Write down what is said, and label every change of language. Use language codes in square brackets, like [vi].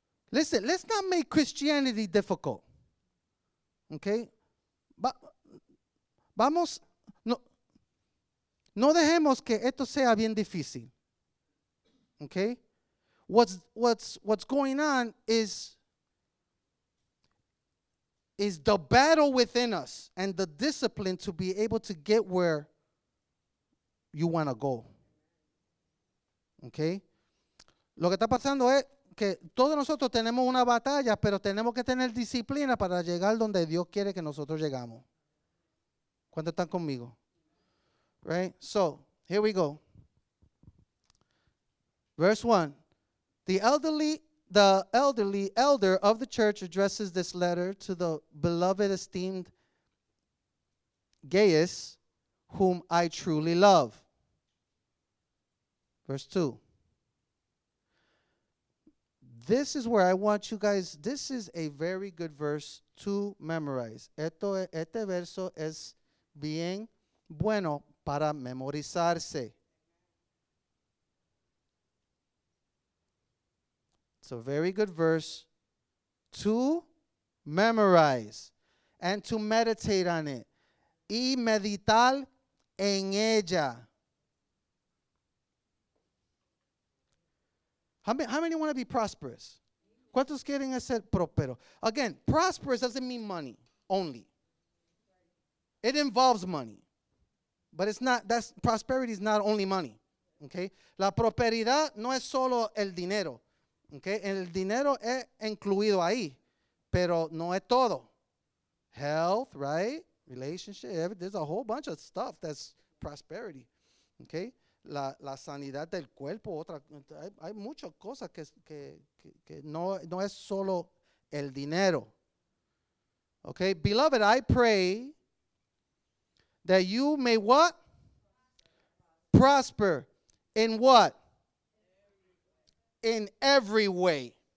[en] Listen, let's not make Christianity difficult. Okay? [es] Vamos. No dejemos que esto sea bien difícil. [en] Okay? What's going on is the battle within us and the discipline to be able to get where you want to go. Okay? [es] Lo que está pasando es que todos nosotros tenemos una batalla, pero tenemos que tener disciplina para llegar donde Dios quiere que nosotros llegamos. ¿Cuántos están conmigo? [en] Right? So, here we go. Verse 1. The elderly elder of the church addresses this letter to the beloved, esteemed Gaius, whom I truly love. Verse 2. This is where I want you guys, this is a very good verse to memorize. [es] Este verso es bien bueno para memorizarse. [en] It's a very good verse to memorize and to meditate on it. [es] Y meditar en ella. [en] How many want to be prosperous? [es] ¿Cuántos quieren ser próspero? [en] Again, prosperous doesn't mean money only. It involves money. But prosperity is not only money. Okay? [es] La prosperidad no es solo el dinero. Okay, el dinero es incluido ahí, pero no es todo. [en] Health, right? Relationship, there's a whole bunch of stuff that's prosperity. Okay? [es] La sanidad del cuerpo, otra, hay muchas cosas que no es solo el dinero. [en] Okay? Beloved, I pray that you may what? Prosper in what? In every way.